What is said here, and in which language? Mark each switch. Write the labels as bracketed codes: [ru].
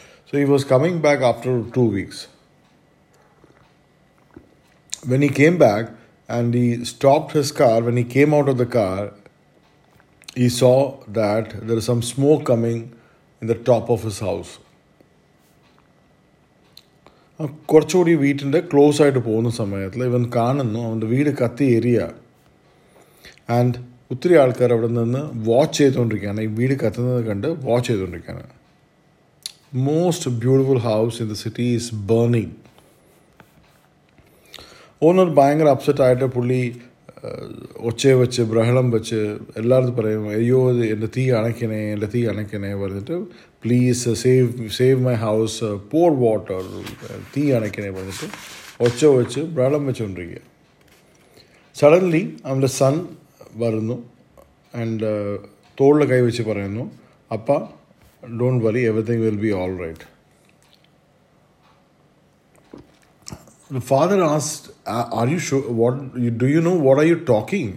[en] So he was coming back after 2 weeks. When he came back and he stopped his car, when he came out of the car, he saw that there is some smoke coming in the top of his house. [ml] കുറച്ചുകൂടി വീട്ടിൻ്റെ close ആയിട്ട് പോകുന്ന സമയത്ത് ഇവൻ കാണുന്നു അവൻ്റെ വീട് കത്തി എരിയ ആൻഡ് ഒത്തിരി ആൾക്കാർ അവിടെ നിന്ന് വാച്ച് ചെയ്തുകൊണ്ടിരിക്കുകയാണ്. ഈ വീട് കത്തുന്നത് കണ്ട് വാച്ച് ചെയ്തുകൊണ്ടിരിക്കുകയാണ്. [en] Most beautiful house in the city is burning. [ml] Owner ഭയങ്കര അപ്സെറ്റ് ആയിട്ട് പുള്ളി ഒച്ചയെ വെച്ച് ബ്രഹളം വെച്ച് എല്ലായിടത്തും പറയും, അയ്യോ എൻ്റെ തീ അണയ്ക്കണേ, എൻ്റെ തീ അണയ്ക്കണേ പറഞ്ഞിട്ട്, [en] please save my house, pour water, [ml] തീ അണയ്ക്കണേ പറഞ്ഞിട്ട് ഒച്ച വെച്ച് ബ്രഹളം വെച്ചുകൊണ്ടിരിക്കുക. സഡൻലി അവൻ്റെ സൺ വരുന്നു ആൻഡ് തോളിൽ കൈ വെച്ച് പറയുന്നു, അപ്പ [en] Don't worry, everything will be all right. The father asked, are you sure, what are you talking?